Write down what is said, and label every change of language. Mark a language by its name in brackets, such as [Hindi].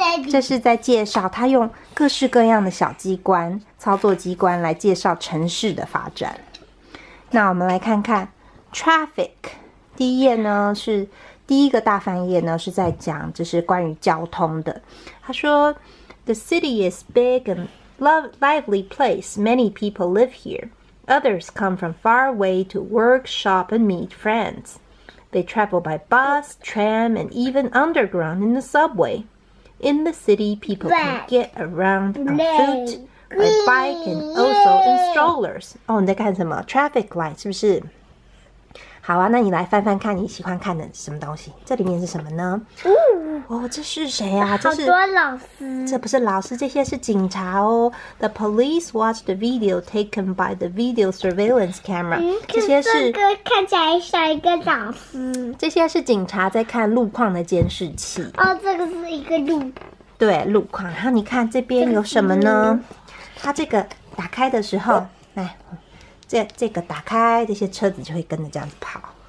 [Chinese] 这是在介绍他用各式各样的小机关、操作机关来介绍城市的发展。那我们来看看 Traffic。第一页呢是。第一个大翻页呢是在讲就是关于交通的，他说 [English] The city is big and lively place. Many people live here. Others come from far away to work, shop and meet friends. They travel by bus, tram and even underground in the subway. In the city, people can get around on foot, by bike and also in strollers. [Chinese] 哦，你在看什么？ Traffic light 是不是？好啊，那你来翻翻看你喜欢看的什么东西，这里面是什么呢？哦，这是谁啊？好多老师。这不是老师，这些是警察哦。 [English] The police watched the video taken by the video surveillance camera. [Chinese] 这些是这个看起来像一个老师。这些是警察在看路况的监视器。哦，这个是一个路。对，路况。然后你看这边有什么呢？它这个打开的时候，来。这个打开，这些车子就会跟着这样子跑。